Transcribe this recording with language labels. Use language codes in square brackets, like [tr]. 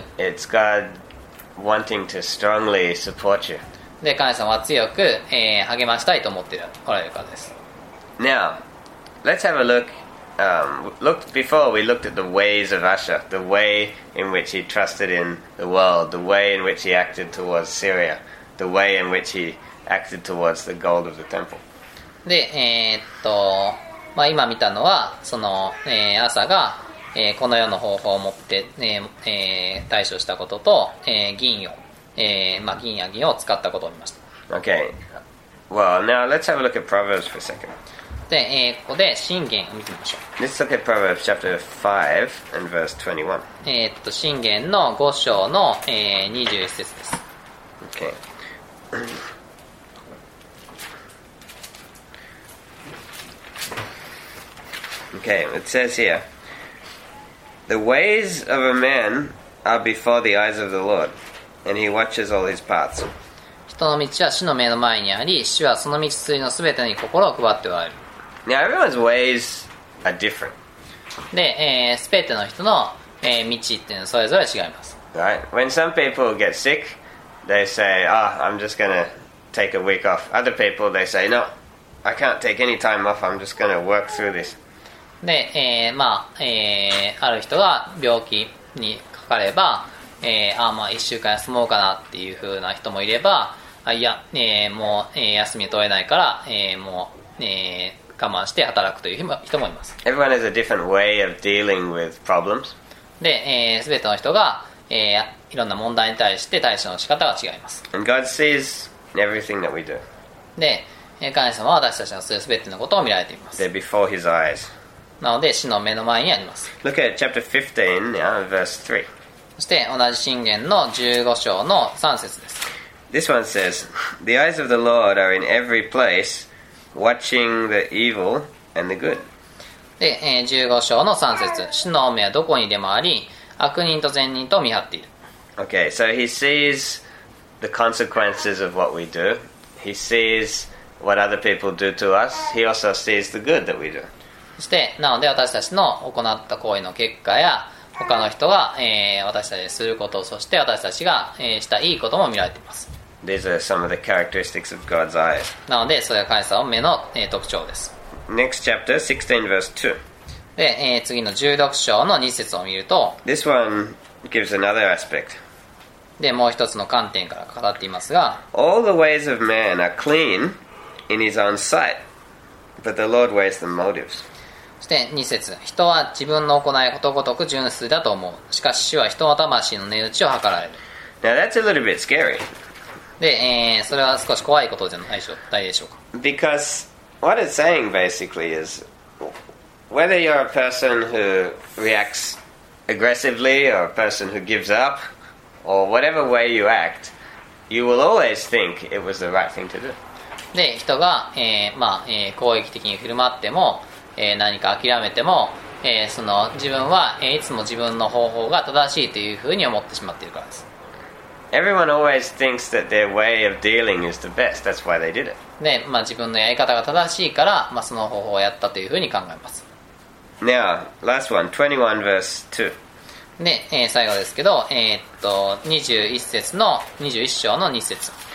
[en] It's God wanting to strongly support you. [ja] で、神様は強く、励ましたいと思っておられるからです。 [en] Now, let's have a look. Before we looked at the ways of Asher, the way in which he trusted in the world, the way in which he acted towards Syria, the way in which he acted towards the gold of the temple. [ja] で、まあ、今見たのはその、朝が、この世の方法を持って、対処したことと、銀を、まあ、銀や銀を使ったことを見ました。 [en] Okay. Well, now let's have a look at Proverbs for a second. [ja] で、ここで箴言を見てみましょう。 [en] Let's look at Proverbs chapter 5 and verse 21. [ja] 箴言の5章の、21節です。 [en] Okay. Okay, it says here, The ways of a man are before the eyes of the Lord, and he watches all his paths. [ja] 人の道は主の目の前にあり、主はその道筋のすべてに心を配っておられる。 [en] Now, everyone's ways are different. [ja] で、すべての人の、道っていうのはそれぞれ違います。 [en] Right? When some people get sick, they say, Oh, I'm just gonna take a week off. Other people, they say, No, I can't take any time off. I'm just gonna work through this. [ja] で、まあ、ある人が病気にかかれば、あ、まあ1週間休もうかなっていう風な人もいれば、あ、いや、もう、休み取れないから、もう、我慢して働くという人もいます。 [en] Everyone has a different way of dealing with problems. [ja] で、全ての人が、いろんな問題に対して対処の仕方が違います。 [en] And God sees everything that we do. [ja] で、神様は私たちのする全てのことを見られています。 [en] They're before his eyes. [ja] なので、死の目の前にあります。 [en] Look at chapter 15, yeah, verse 3. [ja] そして、同じ箴言の15章の3節です。 [en] This one says, The eyes of the Lord are in every place, watching the evil and the good. [ja] で、15章の3節、死の目はどこにでもあり、悪人と善人と見張っている。 [en] Okay, so he sees the consequences of what we do. He sees what other people do to us. He also sees the good that we do. [ja] そして、なので私たちの行った行為の結果や、他の人が、私たちすること、そして私たちが、したいいことも見られています。 [en] These are some of the characteristics of God's eyes. [ja] なので、それが神様の目の、特徴です。 [en] Next chapter, 16 verse 2. [ja] で、次の16章の2節を見ると、 [en] This one gives another aspect. [ja] で、もう一つの観点から語っていますが、 [en] All the ways of man are clean in his own sight, but the Lord weighs the motives. [ja] そして2節、人は自分の行いことごとく純粋だと思う。しかし主は人の魂の値打ちを測られる。 [en] Now that's a little bit scary. [ja] で、それは少し怖いことじゃないでしょうか。 [en] Because what it's saying basically is whether you're a person who reacts aggressively or a person who gives up or whatever way you act, you will always think it was the right thing to do. [ja] で、人が、攻撃的に振る舞っても何か諦めても、その自分は、いつも自分の方法が正しいというふうに思ってしまっているからです。 [en] Everyone always thinks that their way of dealing is the best. That's why they did it. [ja] で、まあ自分のやり方が正しいから、まあその方法をやったというふうに考えます。 [en] Now, last one, 21 verse 2. [ja] で、最後ですけど、21章の2節。